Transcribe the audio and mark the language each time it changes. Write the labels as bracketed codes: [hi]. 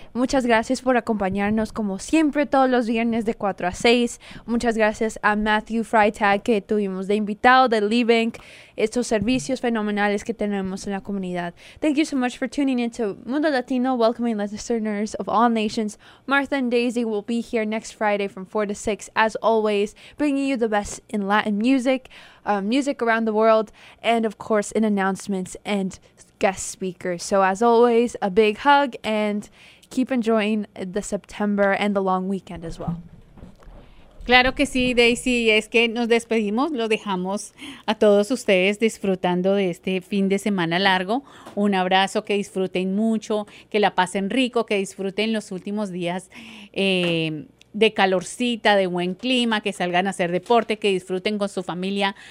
[es] Muchas gracias por acompañarnos como siempre todos los viernes de 4 a 6. Muchas gracias a Matthew Freitag que tuvimos de invitado de Leibank. Estos servicios fenomenales que tenemos en la comunidad. [en] Thank you so much for tuning into Mundo Latino, welcoming listeners of all nations. Martha and Daisy will be here next Friday from 4 to 6, as always, bringing you the best in Latin music, music around the world, and of course in announcements and guest speakers. So as always, a big hug and keep enjoying the September and the long weekend as well. [es] Claro que sí, Daisy, es que nos despedimos, lo dejamos a todos ustedes disfrutando de este fin de semana largo. Un abrazo, que disfruten mucho, que la pasen rico, que disfruten los últimos días de calorcita, de buen clima, que salgan a hacer deporte, que disfruten con su familia.